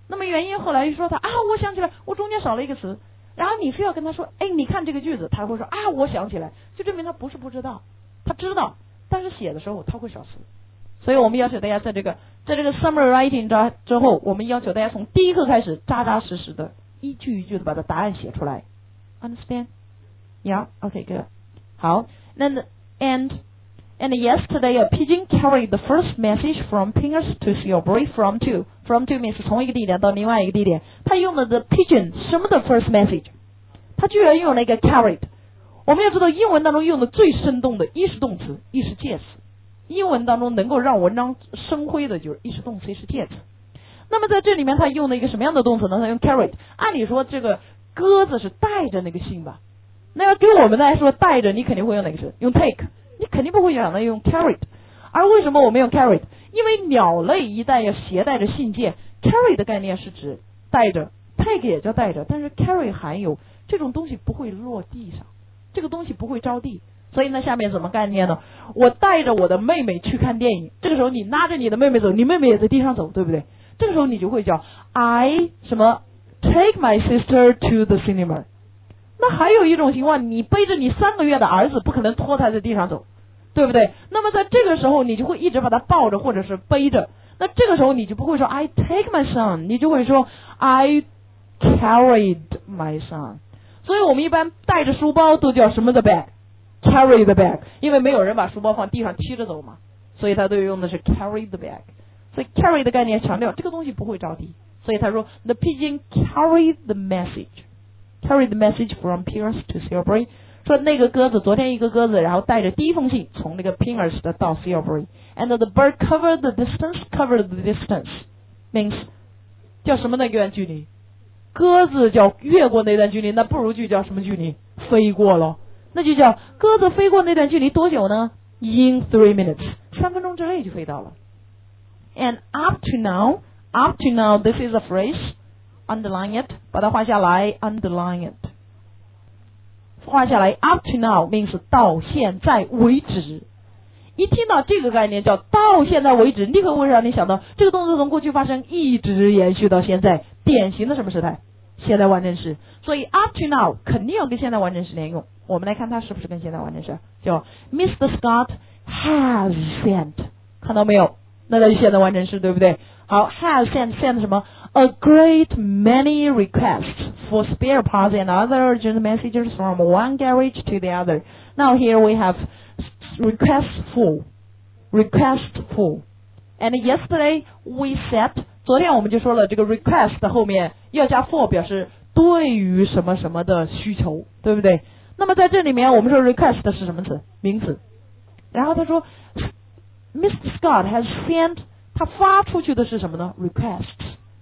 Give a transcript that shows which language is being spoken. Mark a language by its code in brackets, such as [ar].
[zh] 那么原因后来一说他啊，我想起来我中间少了一个词，然后你非要跟他说哎，你看这个句子，他会说啊，我想起来，就证明他不是不知道，他知道，但是写的时候他会少词。所以我们要求大家在这个 summary writing 之后，我们要求大家从第一课开始扎扎实实的一句一句的把它答案写出来。 [en] Understand? Yeah? Okay, good. 好。 And yesterday a pigeon carried the first message from Pingers to Silbury from two. From two means [zh] 从一个地点到另外一个地点。他用了 [en] the pigeon [zh] 什么的 [en] first message， [zh] 他居然用了一个 carried。我们要知道英文当中用的最生动的一是动词一是介词，英文当中能够让文章生辉的就是一是动词一是介词。那么在这里面他用了一个什么样的动词呢？他用 carried。按理说这个鸽子是带着那个信吧，那要给我们来说带着你肯定会用哪个词？用 take，你肯定不会想到用 carried。而为什么我们用 carried？因为鸟类一旦要携带着信件， carry 的概念是指带着， take 也叫带着，但是 carry 含有这种东西不会落地上，这个东西不会着地。所以呢下面什么概念呢？我带着我的妹妹去看电影，这个时候你拉着你的妹妹走，你妹妹也在地上走，对不对？这个时候你就会叫 I 什么 [en] take my sister to the cinema。 [zh] 那还有一种情况，你背着你三个月的儿子，不可能拖他在地上走，对不对？那么在这个时候你就会一直把他抱着或者是背着，那这个时候你就不会说 [en] I take my son， [zh] 你就会说 [en] I carried my son。 [zh] 所以我们一般带着书包都叫什么的 bag， [en] carry the bag， [zh] 因为没有人把书包放地上踢着走嘛，所以他都用的是 carry the bag。所以 carry 的概念强调这个东西不会着地，所以他说 [en] the pigeon carried the messageCarried the message from Pingers to Silbury， [zh] 说那个鸽子，昨天一个鸽子，然后带着第一封信从那个 Pingers 的到 Silbury。 [en] And the bird covered the distance means [zh] 叫什么那段距离？鸽子叫越过那段距离，那不如句叫什么距离？飞过了，那就叫鸽子飞过那段距离多久呢？ [en] In 3 minutes， [zh] 三分钟之内就飞到了。 [en] And up to now this is a phraseUnderline it， [zh] 把它画下来。 [en] Underline it， [zh] 画下来。 [en] Up to now means [zh] 到现在为止。一听到这个概念叫到现在为止，立刻会让你想到这个动作从过去发生一直延续到现在，典型的什么时态？现在完成时。所以 [en] up to now [zh] 肯定要跟现在完成时连用。我们来看它是不是跟现在完成时，叫 Mr. [en] Scott has sent， [zh] 看到没有？那就是现在完成时，对不对？ [en] 好， has sent [zh] 什么？ [en] A great many requests for spare parts and other urgent messages from one garage to the other. Now here we have requestful. And yesterday we said, [zh] 昨天我们就说了这个 request 的后面要加 for， 表示对于什么什么的需求，对不对？那么在这里面我们说 request 的是什么词？名词。然后他说 Mr. Scott has sent， 他发出去的是什么呢？Request。